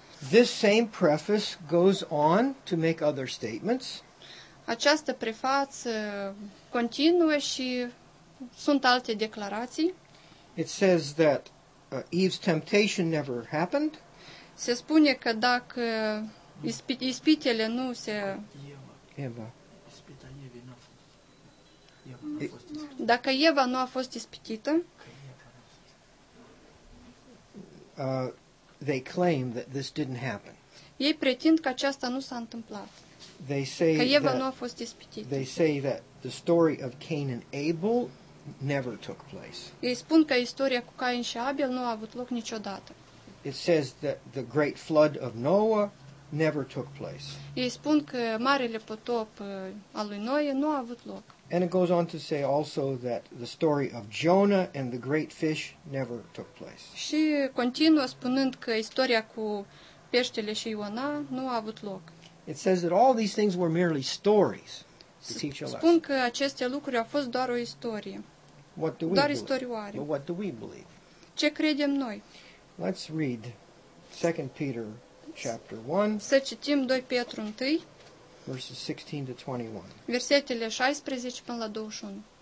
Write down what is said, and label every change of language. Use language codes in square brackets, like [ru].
[en] This same preface goes on to make other statements. [ro] Această prefață continuă și sunt alte declarații. [en] It says that Eve's temptation never happened. [ro] Se spune că dacă ispitele nu se Eva. Dacă Eva nu a fost ispitită, [en] they claim that this didn't happen. [ro] Ei pretind că aceasta nu s-a întâmplat. [en] They say [ro] că Eva nu a fost ispitită. [en] They say that the story of Cain and Abel never took place. [ro] Ei spun că istoria cu Cain și Abel nu a avut loc niciodată. [en] It says that the great flood of Noah never took place. [ro] Ei spun că marele potop al lui Noe nu a avut loc. [en] And it goes on to say also that the story of Jonah and the great fish never took place. [ro] Și continuă spunând că istoria cu peștele și Iona nu a avut loc. [en] It says that all these things were merely stories to teach a lesson. [ro] Spun că aceste lucruri au fost doar o istorie. [en] What do we [ro] doar istorioare. [en] But what do we believe? [ro] Ce credem noi? [en] Let's read 2 Peter chapter 1. [ro] Să citim 2 Petru 1. [en] Verses 16 to 21. [ro] Versetele 16 până la 21.